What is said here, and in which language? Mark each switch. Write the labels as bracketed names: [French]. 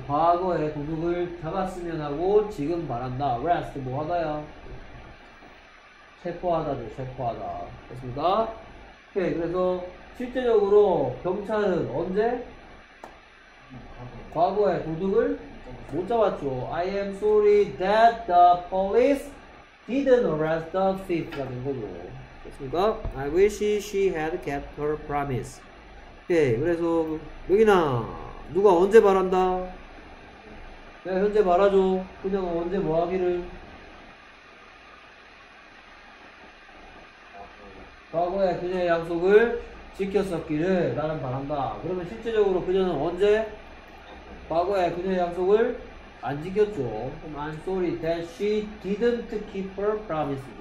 [Korean] 과거에 도둑을 잡았으면 하고 지금 말한다. 레스트 뭐 하다야? 체포하다죠. 체포하다. 됐습니까? 오케이. 그래서 실제적으로 경찰은 언제? 과거에 도둑을 못 잡았죠. [English] I am sorry that the police didn't arrest the thief [Korean] 가 된 거죠. 됐습니까? [English] I wish she had kept her promise. 오케이. [Korean] 그래서 여기나 누가 언제 말한다? 내가 현재 말하죠. 그냥 언제 뭐 하기를? 과거에 그녀의 약속을 지켰었기를 나는 바란다. 그러면 실제적으로 그녀는 언제? 과거에 그녀의 약속을 안 지켰죠. [English] I'm sorry that she didn't keep her promise.